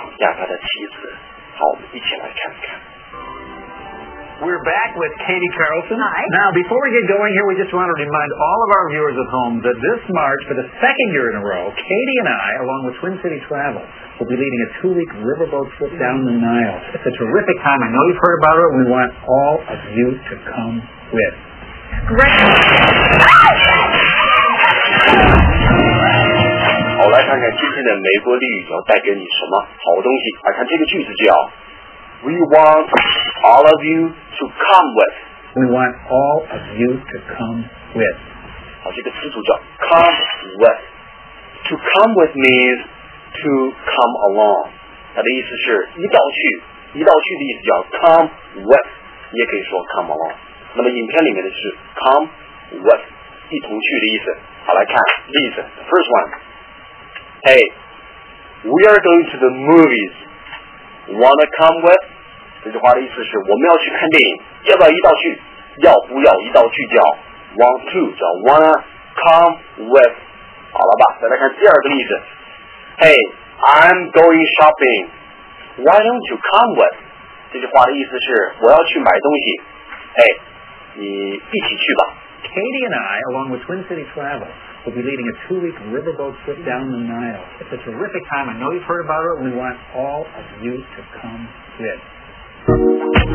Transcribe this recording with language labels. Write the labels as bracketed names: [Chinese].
[Chinese] 不想去绑架他的妻子了，可是此时的他偏偏与两个歹徒联系不上，而此时两个歹徒正在按着原来的计划去绑架他的妻子。好，我们一起来看看。 [English] We're back with Katie Carlson. Hi. Now, before we get going here, we just want to remind all of our viewers at home that this March, for the second year in a row, Katie and I, along with Twin City Travel, will be leading a two-week riverboat trip down the Nile. It's a terrific time. I know you've heard about it, and we want all of you to come with. Great. [Chinese] 好，来看看今天的美国俚语要带给你什么好东西。来看这个句子就要。 [English] We want all of you to come with. We want all of you to come with. [Chinese] 好，这个词组叫 [English] come with. To come with means to come along. [Chinese] 它的意思是一道去，一道去的意思叫 come with. 也可以说 come along. 那么影片里面的是 come with, 一同去的意思。好，来看例子。 [English] The first one. Hey, we are going to the movies. Wanna come with? [Chinese] 这句话的意思是我们要去看电影，要不要一道去？要不要一道去叫 want to 叫 wanna come with？好了吧，再来看第二个例子。 [English] Hey, I'm going shopping. Why don't you come with？ [Chinese] 这句话的意思是我要去买东西。Hey, 你一起去吧。 [English] Katie and I, along with Twin City Travel, will be leading a two-week riverboat trip down the Nile. It's a terrific time. I know you've heard about it. We want all of you to come with.